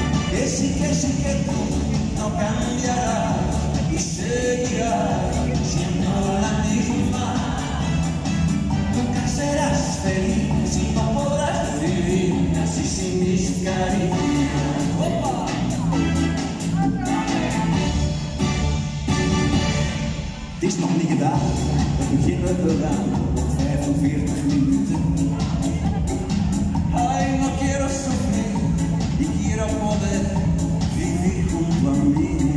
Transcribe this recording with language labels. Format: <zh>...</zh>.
<es>Que sí, que tú no cambiarás y seguirás siendo la misma. Nunca serás feliz si no podrás vivir así sin mis cariños. ¡Opa!</es> <nl>Het is nog niet gedaan, het begin wordt gedaan, 45 minuten.</nl> <es>Ay, no quiero sufrir, y quiero poder vivir junto a mí.</es>